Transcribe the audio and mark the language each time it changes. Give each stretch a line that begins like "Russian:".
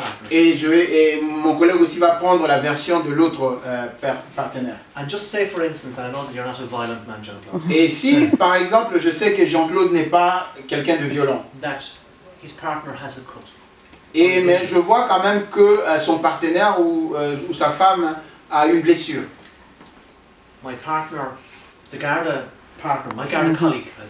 French: Et mon collègue aussi va prendre la version de l'autre partenaire.
English: And just say for instance, I know that you're not a violent man, Jean-Claude.
French: Et si, par exemple, je sais que Jean-Claude n'est pas quelqu'un de violent.
English: That his partner has a cut.
French: Et mais je vois quand même que son partenaire ou sa femme a une blessure.
English: My partner, the garde. Partner, my garden colleague,